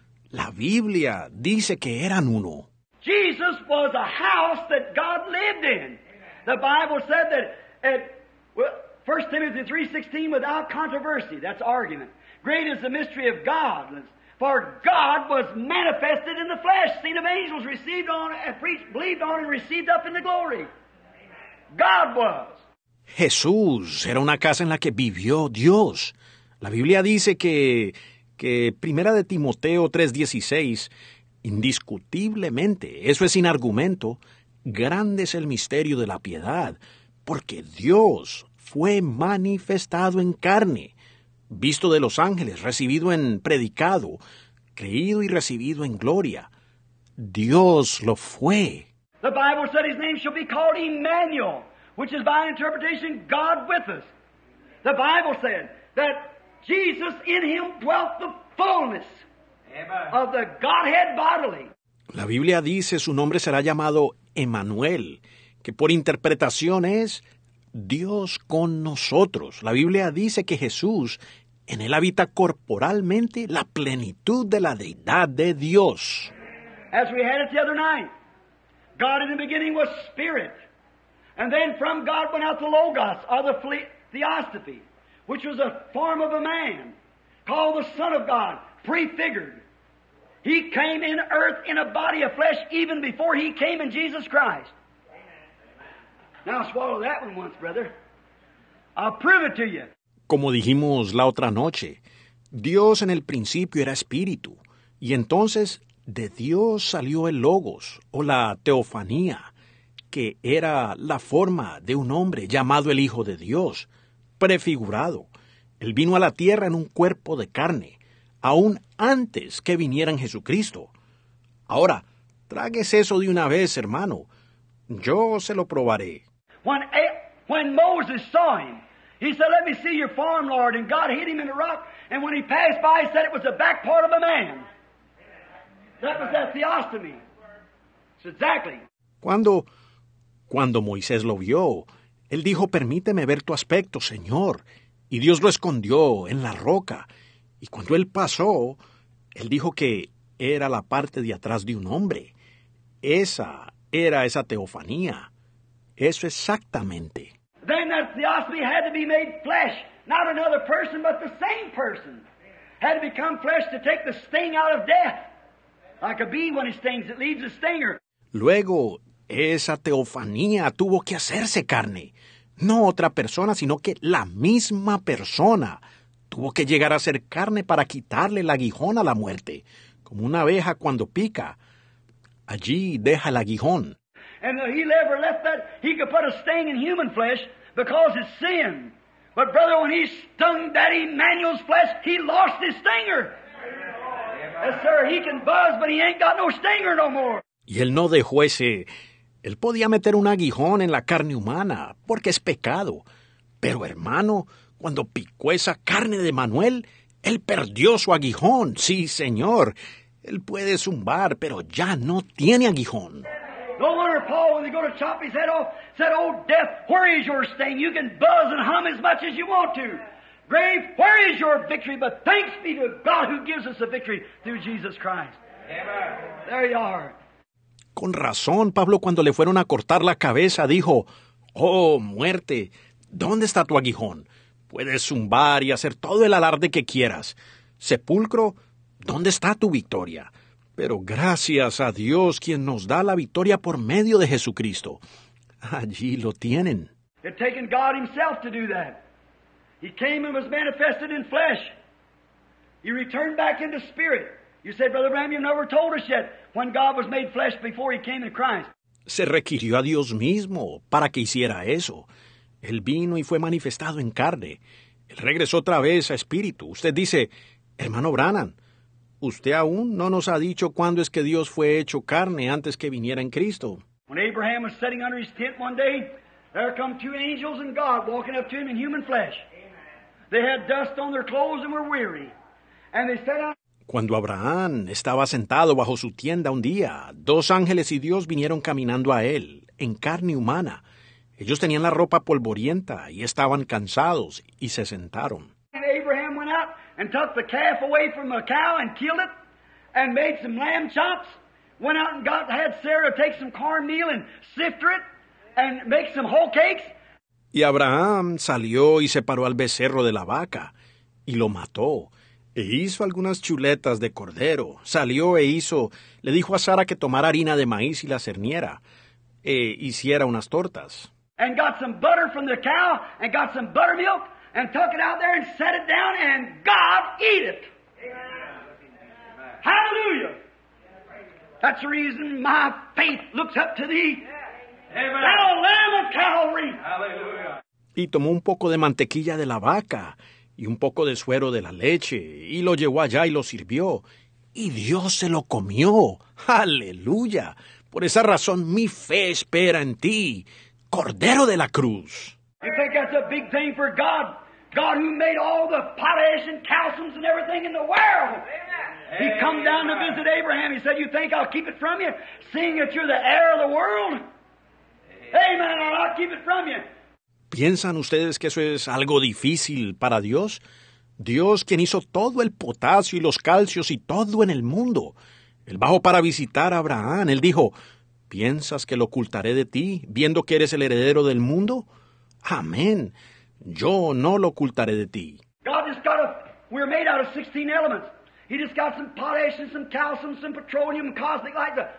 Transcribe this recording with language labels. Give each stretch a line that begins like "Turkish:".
Spanish: La Biblia dice que eran uno.
English: Jesus was a house that God lived in. The Bible said that it, well, 1 Timothy 3:16, without controversy, that's argument. Great is the mystery of God, for God was manifested in the flesh, seen of angels, received on, and preached, believed on, and received up in the glory. God was.
Spanish: Jesús era una casa en la que vivió Dios. La Biblia dice que 1 Timoteo 3:16, indiscutiblemente, eso es sin argumento, grande es el misterio de la piedad, porque Dios fue manifestado en carne, visto de los ángeles, recibido en predicado, creído y recibido en gloria. Dios lo fue.
English: The Bible said his name shall be called Emmanuel, which is by interpretation God with us. The Bible said that Jesus in him dwelt the fullness of the Godhead bodily.
Spanish: La Biblia dice su nombre será llamado Emmanuel, que por interpretación es Dios con nosotros. La Biblia dice que Jesús, en él habita corporalmente la plenitud de la Deidad de Dios.
English: As we had it the other night, God in the beginning was spirit. And then from God went out the Logos, or the theosophy, which was a form of a man, called the Son of God, prefigured. He came in earth in a body of flesh even before he came in Jesus Christ. Amen. Now swallow that one once, brother. I'll prove it to you.
Spanish: Como dijimos la otra noche, Dios en el principio era espíritu, y entonces de Dios salió el Logos, o la teofanía, que era la forma de un hombre llamado el Hijo de Dios, prefigurado. Él vino a la tierra en un cuerpo de carne, aún antes que viniera en Jesucristo. Ahora, tráguese eso de una vez, hermano. Yo se lo probaré.
English: When Moses saw him, he said, let me see your form, Lord. And God hit him in the rock. And when he passed by, he said it was the back part of a man. That was that theostomy. It's exactly.
Spanish: Cuando Moisés lo vio, él dijo, permíteme ver tu aspecto, Señor. Y Dios lo escondió en la roca. Y cuando él pasó, él dijo que era la parte de atrás de un hombre. Esa era esa teofanía. Eso exactamente.
English: Then that theosophy had to be made flesh, not another person, but the same person. Had to become flesh to take the sting out of death. Like a bee when it stings, it leaves a stinger.
Spanish: Luego, esa teofanía tuvo que hacerse carne. No otra persona, sino que la misma persona tuvo que llegar a ser carne para quitarle el aguijón a la muerte, como una abeja cuando pica. Allí deja el aguijón.
English: And if he ever left that, he could put a sting in human flesh because it's sin. But brother, when he stung that Emmanuel's flesh, he lost his stinger. Yes, sir, he can buzz, but he ain't got no stinger no more.
Spanish: Y él no dejó ese. Él podía meter un aguijón en la carne humana porque es pecado. Pero hermano, cuando picó esa carne de Manuel, él perdió su aguijón. Sí, señor. Él puede zumbar, pero ya no tiene aguijón.
English: No wonder Paul, when they go to chop his head off, said, oh, death, where is your sting? You can buzz and hum as much as you want to. Grave, where is your victory? But thanks be to God who gives us a victory through Jesus Christ. Amen. There you are.
Spanish: Con razón, Pablo, cuando le fueron a cortar la cabeza, dijo, oh, muerte, ¿dónde está tu aguijón? Puedes zumbar y hacer todo el alarde que quieras. Sepulcro, ¿dónde está tu victoria? Pero gracias a Dios, quien nos da la victoria por medio de Jesucristo. Allí lo tienen.
English: It taken God himself to do that. He came and was manifested in flesh. He returned back into spirit. You said, Brother Bram, you never told us yet when God was made flesh before he came in Christ.
Spanish: Se requirió a Dios mismo para que hiciera eso. Él vino y fue manifestado en carne. Él regresó otra vez a espíritu. Usted dice, hermano Branham, usted aún no nos ha dicho cuándo es que Dios fue hecho carne antes que viniera en Cristo.
English: When Abraham was sitting under his tent one day, there come two angels and God walking up to him in human flesh. Amen. They had dust on their clothes and were weary. And they said,
Spanish: cuando Abraham estaba sentado bajo su tienda un día, dos ángeles y Dios vinieron caminando a él en carne humana. Ellos tenían la ropa polvorienta y estaban cansados y se sentaron.
English: And Abraham went out and took the calf away from a cow and killed it and made some lamb chops. Went out and had Sarah take some cornmeal and sift it and make some whole cakes. Y Abraham salió y separó al becerro de la vaca y lo mató. E hizo algunas chuletas de cordero. Salió e hizo, le dijo a Sara que tomara harina de maíz y la cerniera e hiciera unas tortas. And got some butter from the cow and got some buttermilk. And took it out there and set it down, and God eat it. Amen. Hallelujah. That's the reason my faith looks up to thee. Amen. Thou Lamb of Calvary. Hallelujah.
Spanish: Y tomó un poco de mantequilla de la vaca y un poco de suero de la leche, y lo llevó allá y lo sirvió. Y Dios se lo comió. Hallelujah. Por esa razón, mi fe espera en ti, Cordero de la Cruz.
English: You think that's a big thing for God? God who made all the potash and calciums and everything in the world. Amen. He come down to visit Abraham. He said, you think I'll keep it from you, seeing that you're the heir of the world? Amen. Amen, I'll keep it from you.
Spanish: ¿Piensan ustedes que eso es algo difícil para Dios? Dios, quien hizo todo el potasio y los calcios y todo en el mundo. Él bajó para visitar a Abraham. Él dijo, ¿Piensas que lo ocultaré de ti, viendo que eres el heredero del mundo? Amén. Yo no lo ocultaré de ti.
English: God just got a, we're made out of 16 elements. He just got some potash and some calcium, some petroleum, cosmic light.